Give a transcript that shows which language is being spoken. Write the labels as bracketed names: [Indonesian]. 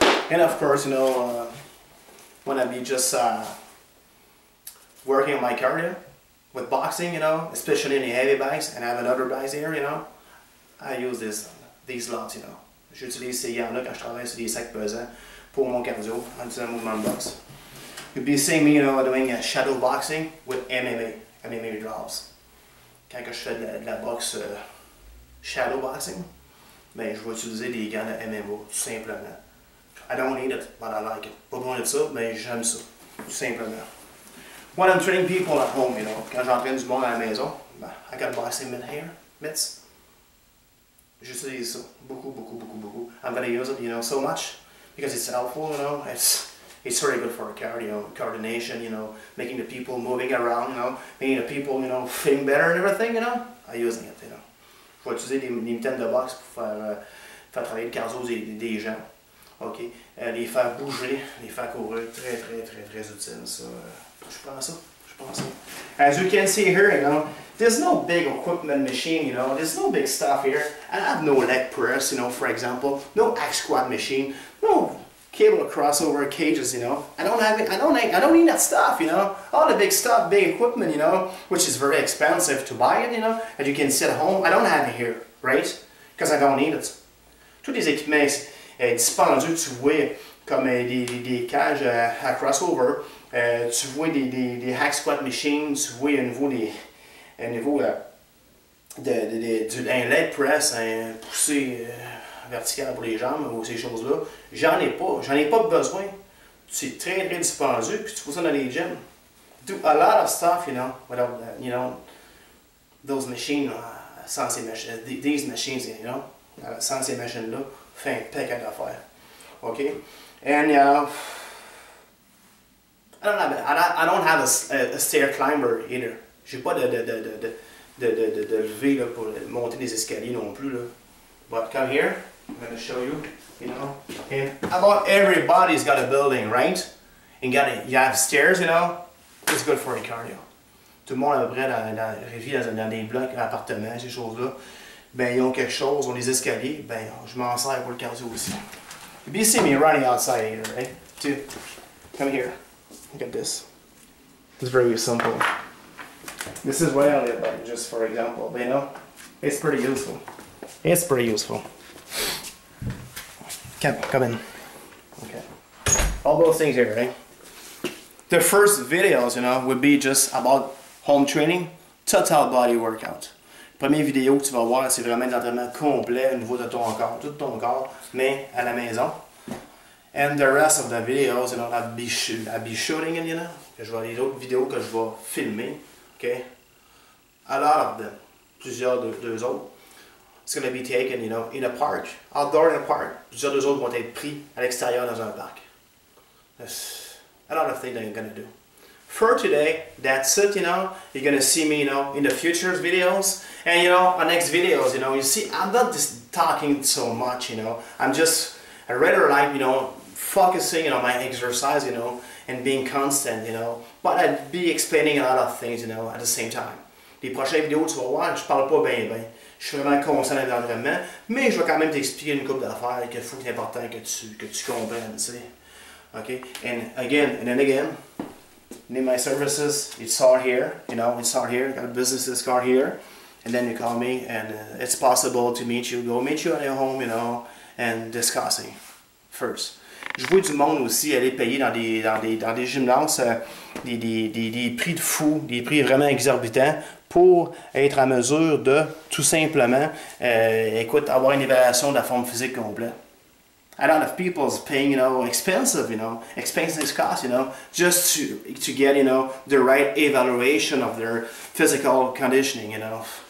[English] And of course, you know, when I be just working on my cardio with boxing, you know, especially in the heavy bikes, and I have another bike here, you know, I use these lots, you know. [French] J'utilise ces yarns-là quand je travaille sur des sacs pesants. Pour mon cardio, en utilisant mouvement de boxe. [English] You'd be seeing me, you know, doing a shadow boxing with MMA drops. [French] Quand que je fais de la boxe shadow boxing, ben je vais utiliser des gants de MMA, tout simplement. [English] I don't need it, but I like it. [French] Pas besoin de ça, mais j'aime ça, tout simplement. [English] When I'm training people at home, you know, [French] quand j'entraîne du monde à la maison, ben, [English] I got boxing mitts here, mitts. [French] J'utilise ça, beaucoup, beaucoup, beaucoup, beaucoup. [English] I'm gonna use it, you know, so much. Because it's helpful, you know, it's very good for cardio, coordination, you know, making the people moving around, you know, making the people, you know, feeling better and everything, you know, I'm using it, you know. [French] Je vais utiliser des mitaines de boxe pour faire travailler le cardio des gens, ok, les faire bouger, les faire courir, très, très, très, très utile, ça, je prends ça. [English] As you can see here, you know, there's no big equipment machine, you know, there's no big stuff here. I have no leg press, you know, for example, no hack squat machine. No cable crossover cages, you know. I don't need that stuff, you know. All the big stuff, big equipment, you know, which is very expensive to buy it, you know. And you can sit at home. I don't have it here, right? Because I don't need it. [French] Tous les équipements dispendieux, tu vois, comme des cages à crossover, tu vois des hack squat machines, tu vois un leg press, un poussé. Vertical pour les jambes ou ces choses-là, j'en ai pas besoin. C'est très très dispendieux, puis tu fais ça dans les gyms. [English] Do a lot of stuff, you know, without that, you know, those machines, [French] sans ces machines, [English] these machines, you know, [French] sans ces machines-là, fait un paquet d'affaires. [English] Ok? And, I don't have a stair climber either. [French] J'ai pas de levée là, pour monter des escaliers non plus. Là. [English] But come here. I'm gonna show you, you know. And about everybody's got a building, right? And you have stairs, you know. It's good for the cardio. [French] Tout le monde à peu près dans des blocs, des appartements, ces choses-là. Ben ils ont quelque chose, ont des escaliers. Ben je m'en sers pour le cardio aussi. [English] You see me running outside here, right? Come here. Look at this. It's very simple. This is where I live, but just for example, you know, it's pretty useful. It's pretty useful. Come in. Okay. All those things here, right? The first videos, you know, would be just about home training, total body workout. [French] Première vidéo que tu vas voir, c'est vraiment l'entraînement complet au niveau de ton corps, tout ton corps, mais à la maison. [English] And the rest of the videos, you know, I'll be shooting, you know, [French] que je vais avoir les autres vidéos que je vais filmer, [English] okay? A lot of them, [French] plusieurs deux autres. [English] It's gonna be taken, you know, in a park, outdoor in a park. [French] Plusieurs deux autres vont être pris à l'extérieur dans un parc. [English] That's a lot of things that I'm gonna do. For today, that's it, you know. You're gonna see me, you know, in the future videos. And, you know, our next videos, you know, you see, I'm not just talking so much, you know. I'm just, I rather like, you know, focusing, you know, my exercise, you know, and being constant, you know. But I'd be explaining a lot of things, you know, at the same time. [French] Les prochaines vidéos, tu vas voir, je parle pas bien, bien. Je suis vraiment concentré dans l'entraînement, mais je vais quand même t'expliquer une couple d'affaires que c'est important que tu comprennes, tu sais. [English] Okay? And again, need my services, it's all here, you know, it's all here, got a business card here, and then you call me, and it's possible to meet you, go meet you at your home, you know, and discussing first. [French] Je vois du monde aussi aller payer dans des gymnases des prix de fou, des prix vraiment exorbitants pour être à mesure de tout simplement avoir une évaluation de la forme physique complète. [English] A lot of people's paying, you know, expensive costs, you know, just to get, you know, the right evaluation of their physical conditioning, you know.